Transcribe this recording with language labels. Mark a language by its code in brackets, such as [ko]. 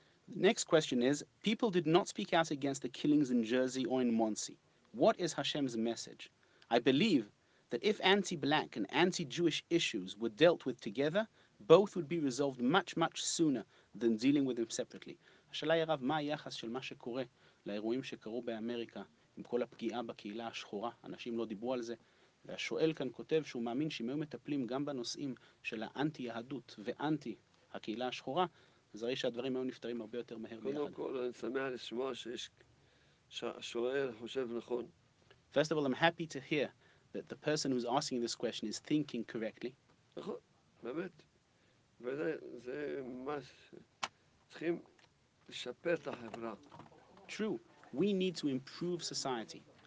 [en] The next question is, people did not speak out against the killings in Jersey or in Monsey. What is Hashem's message? I believe that if anti-black and anti-Jewish issues were dealt with together, both would be resolved much, much sooner than dealing with them separately. [he] השאלה היא רב, מה היחס של מה שקורה לאירועים שקרו באמריקה? עם כל הפגיעה בקהילה השחורה, אנשים לא דיברו על זה. והשואל כאן כותב שהוא מאמין שאם היו מטפלים גם בנושאים של האנטי-יהדות ואנטי-הקהילה השחורה, אז הרי שהדברים היו נפתרים הרבה יותר מהר ביחד. קודם כל, אני שמח לשמוע שהשואל חושב נכון. [en] First of all, I'm happy to hear that the person who's asking this question is thinking correctly. [he] נכון, באמת. וזה מה צריכים לשפר את החברה. [en] True. We need to improve society.